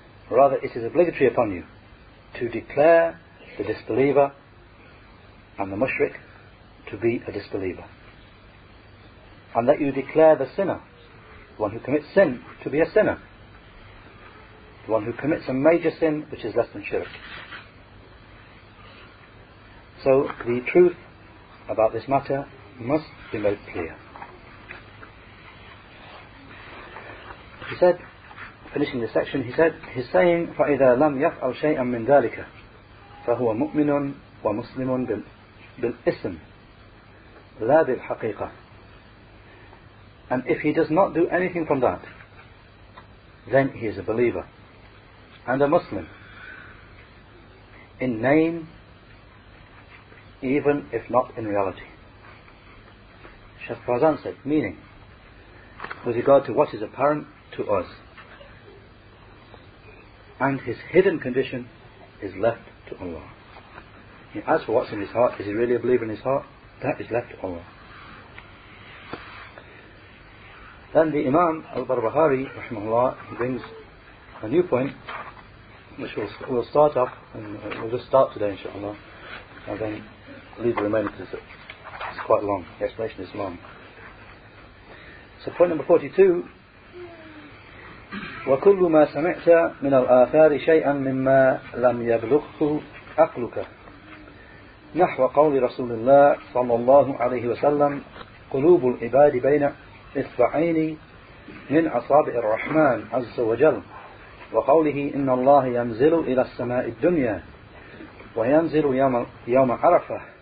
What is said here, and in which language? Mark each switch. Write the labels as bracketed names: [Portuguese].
[English] Rather, it is obligatory upon you to declare the disbeliever and the mushrik to be a disbeliever, and that you declare the sinner, the one who commits sin, to be a sinner, the one who commits a major sin which is less than shirk. So the truth about this matter must be made clear. He said, finishing the section, he said, he's saying, [Arabic] فَإِذَا لَمْ يَفْعَلْ شَيْئًا مِّن ذَلِكَ فَهُوَ مُؤْمِنٌ وَمُسْلِمٌ بِالْإِسْمِ لَا بِالْحَقِيقَةِ. [English] And if he does not do anything from that, then he is a believer and a Muslim in name, even if not in reality. Sheikh Fawzan said, meaning, with regard to what is apparent to us, and his hidden condition is left to Allah. As for what's in his heart, is he really a believer in his heart? That is left to Allah. Then the Imam Al-Barbahari, rahimahullah, he brings a new point, which we'll start off, and we'll just start today, inshaAllah, and then leave the remainder, because it's quite long, the explanation is long. So point number 42, [Arabic] وَكُلُّ مَا سَمِعْتَ مِنَ الْآثَارِ شَيْئًا مِمَّا لَمْ يَبْلُغْهُ أَقْلُكَ نَحْوَ قَوْلِ رَسُولِ اللَّهِ صلى الله عليه وسلم قُلُوبُ الْعِبَادِ بَيْنَ إِصْبَعَيْنِ مِنْ أَصَابِعِ الرَّحْمَنِ عَزَّ وَجَلَّ وقوله إن الله ينزل إلى السماء الدنيا وينزل يوم عرفة